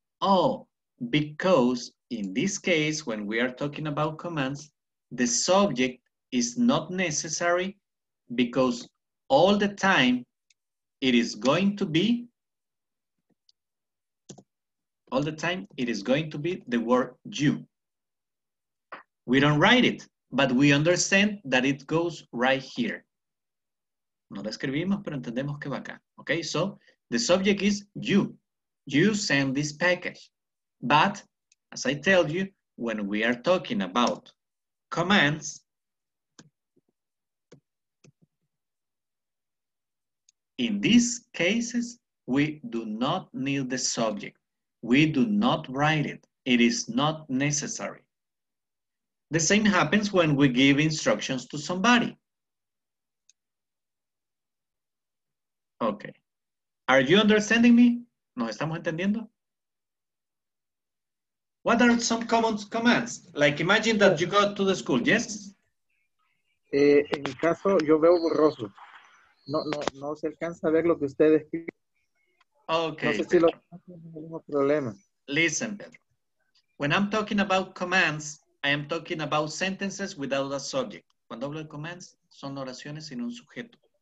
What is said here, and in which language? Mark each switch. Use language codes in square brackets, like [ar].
[en] Oh, because in this case, when we are talking about commands, the subject is not necessary because all the time it is going to be, all the time it is going to be the word you. We don't write it, but we understand that it goes right here. [es] No la escribimos, pero entendemos que va acá. [en] Okay, so the subject is you. You send this package. But as I tell you, when we are talking about commands, in these cases, we do not need the subject. We do not write it. It is not necessary. The same happens when we give instructions to somebody. Okay. Are you understanding me? [es] ¿Nos estamos entendiendo? [en] What are some common commands? Like imagine that you go to the school, yes? [es] En mi caso, yo veo borroso. No se alcanza a ver lo que usted escribe. Okay. No sé si lo tengo problema. [en] Listen, Pedro. When I'm talking about commands, I am talking about sentences without a subject. [es] Cuando hablo de commands, son oraciones sin un sujeto.